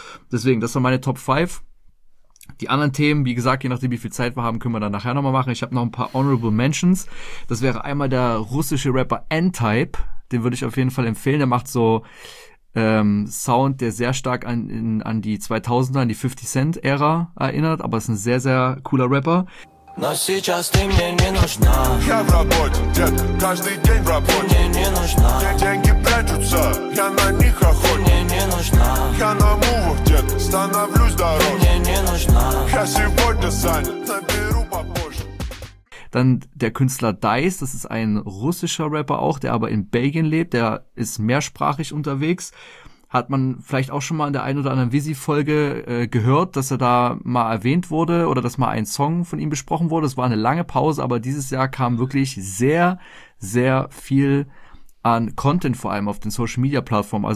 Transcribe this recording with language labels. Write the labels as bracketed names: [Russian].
[German] Deswegen, das war meine Top 5. Die anderen Themen, wie gesagt, je nachdem, wie viel Zeit wir haben, können wir dann nachher nochmal machen. Ich habe noch ein paar Honorable Mentions. Das wäre einmal der russische Rapper N-Type. Den würde ich auf jeden Fall empfehlen. Der macht so Sound, der sehr stark an die 2000er, an die 50 Cent-Ära erinnert. Aber ist ein sehr, sehr cooler Rapper. [Russian] Но сейчас ты мне не нужна. Я в работе, дед, каждый день в работе. Мне не нужна. Где деньги прячутся, я на них охот. Мне не нужна. Я на мувах, дед, становлюсь дороже. Мне не нужна. Я сегодня занят, наберу попозже. [German] Dann der Künstler Dice, das ist ein russischer Rapper auch, der aber in Belgien lebt, der ist mehrsprachig unterwegs. Hat man vielleicht auch schon mal in der einen oder anderen Visi-Folge gehört, dass er da mal erwähnt wurde oder dass mal ein Song von ihm besprochen wurde. Es war eine lange Pause, aber dieses Jahr kam wirklich sehr, sehr viel an Content, vor allem auf den Social-Media-Plattformen.